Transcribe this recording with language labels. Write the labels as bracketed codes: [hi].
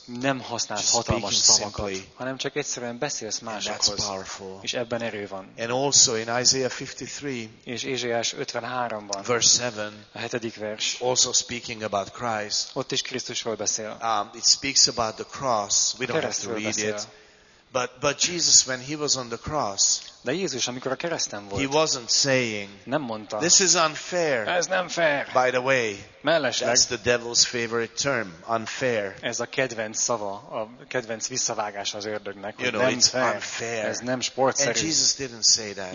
[hu] Nem használsz hatalmas szavakat, hanem csak egyszerűen beszélsz másokhoz. És ebben erő van. [en] And also in Isaiah 53. [hu] És Ézsaiás 53-ban. [en] Verse 7. [hu] A hetedik vers. [en] Also speaking about Christ. [hu] Ott is Krisztusról beszél. [en] It speaks about the cross. We don't have to read it. But Jesus, when he was on the cross, [hu] de Jézus, amikor a kereszten volt, [en] he wasn't saying, [hu] nem mondta, [en] this is unfair. [hu] Ez nem fair. [en] By the way, [hu] mellesleg, [en] that's the devil's favorite term, unfair. [hu] Ez a kedvenc szava, a kedvenc visszavágás az ördögnek. [en] You know, [hu] nem [en] it's [hu] fair. [en] Unfair. [hu] Ez nem sportszerű. [en] And Jesus didn't say that.